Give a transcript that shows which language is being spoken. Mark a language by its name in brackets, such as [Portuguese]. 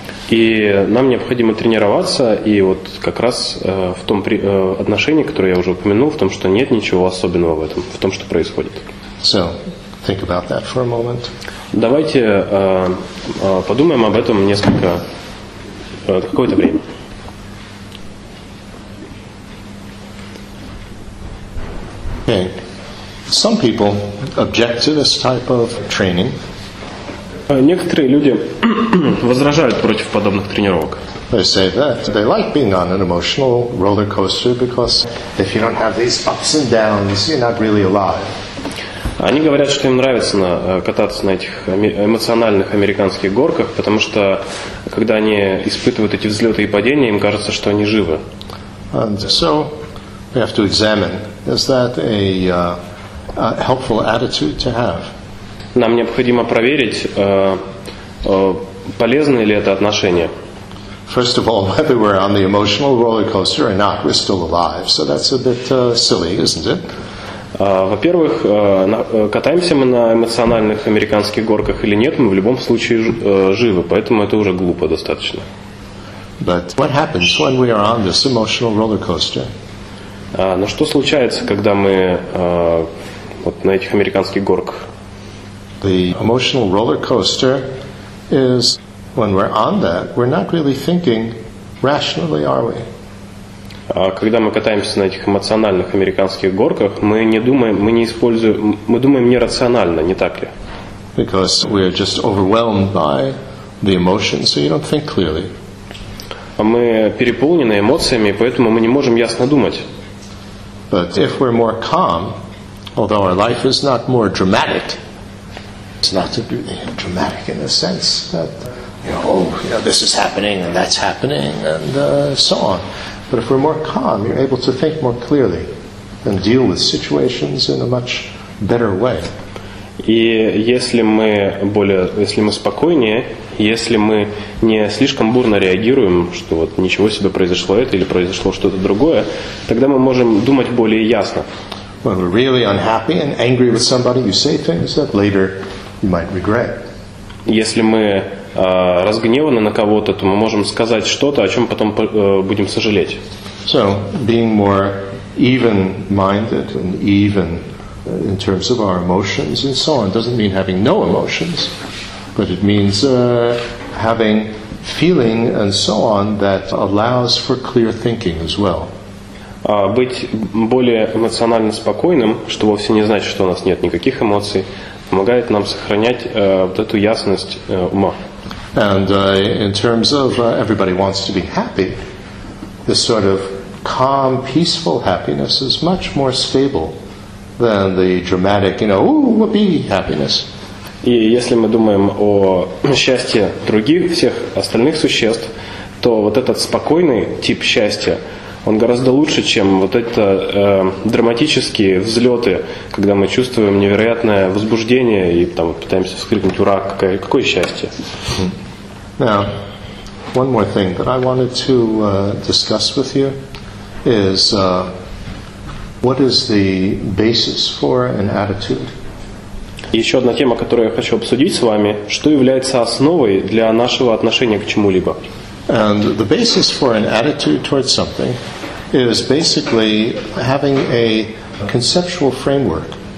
[Russian] И нам необходимо тренироваться, и вот как раз в том отношении, которое я уже упомянул, в том, что нет ничего особенного в этом, в том, что происходит. [English] So, think about that for a moment. [Russian] Давайте подумаем об этом несколько какое-то время. [English] Okay. Some people object to this type of training. [Russian] Некоторые люди возражают против подобных тренировок. [English] They say that they like being on an emotional roller coaster because if you don't have these ups and downs, you're not really alive. [Russian] Они говорят, что им нравится кататься на этих эмоциональных американских горках, потому что, когда они испытывают эти взлеты и падения, им кажется, что они живы. [English] And so, we have to examine, is that a helpful attitude to have? [Russian] Нам необходимо проверить, полезно ли это отношение. [English] First of all, whether we're on the emotional roller coaster or not, we're still alive. So that's a bit silly, isn't it? [Russian] Во-первых, катаемся мы на эмоциональных американских горках или нет, мы в любом случае живы, поэтому это уже глупо достаточно. [English] But what happens when we are on this emotional roller coaster? [Russian] Но что случается, когда мы вот на этих американских горках? [English] The emotional roller coaster is when we're on that, we're not really thinking rationally, are we? [Russian] Когда мы катаемся на этих эмоциональных американских горках, мы не думаем, мы не используем, мы думаем нерационально, не так ли? [English] Because we are just overwhelmed by the emotions, so you don't think clearly. [Russian] Мы переполнены эмоциями, поэтому мы не можем ясно думать. [English] But if we're more calm, although our life is not more dramatic, it's not dramatic in a sense that, this is happening and that's happening and so on. But if we're more calm, you're able to think more clearly and deal with situations in a much better way. [Russian] И если мы спокойнее, если мы не слишком бурно реагируем, что вот ничего себе произошло это или произошло что-то другое, тогда мы можем думать более ясно. [English] When we're really unhappy and angry with somebody, you say things that later you might regret. [Russian] Если мы разгневаны на кого-то, то мы можем сказать что-то, о чем потом будем сожалеть. [English] So, being more even-minded and even in terms of our emotions and so on doesn't mean having no emotions, but it means having feeling and so on that allows for clear thinking as well. [Russian] Быть более эмоционально спокойным, что вовсе не значит, что у нас нет никаких эмоций, помогает нам сохранять вот эту ясность ума. [English] And in terms of everybody wants to be happy, this sort of calm, peaceful happiness is much more stable than the dramatic, whoopee happiness. [Russian] И если мы думаем о счастье других, всех остальных существ, то вот этот спокойный тип счастья, он гораздо лучше, чем вот эти драматические взлеты, когда мы чувствуем невероятное возбуждение и там пытаемся вскрикнуть «Ура! Какое счастье!». [English] Now, one more thing that I wanted to discuss with you is what is the basis for an attitude? [Russian] Еще одна тема, которую я хочу обсудить с вами, что является основой для нашего отношения к чему-либо? [English] And the basis for an attitude towards something is basically having a conceptual framework.